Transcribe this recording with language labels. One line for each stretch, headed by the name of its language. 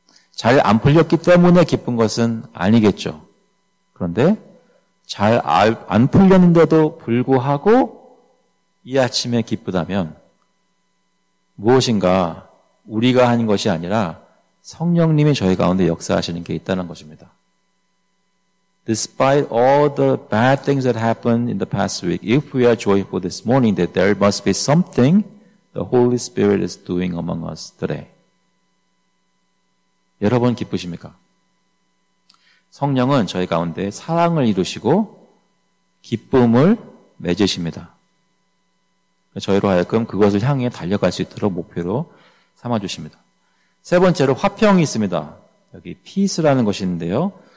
Korean: 잘 안 풀렸기 때문에 기쁜 것은 아니겠죠. 그런데 잘 안 풀렸는데도 불구하고 이 아침에 기쁘다면 무엇인가 우리가 한 것이 아니라 성령님이 저희 가운데 역사하시는 게 있다는 것입니다.
English: Despite all the bad things that happened in the past week, if we are joyful this morning, that there must be something the Holy Spirit is doing among us today.
Korean: 여러분 기쁘십니까? 성령은 저희 가운데 사랑을 이루시고 기쁨을 맺으십니다. 저희로 하여금 그것을 향해 달려갈 수 있도록 목표로 삼아주십니다. 세 번째로 화평이 있습니다. 여기 peace라는 것인데요.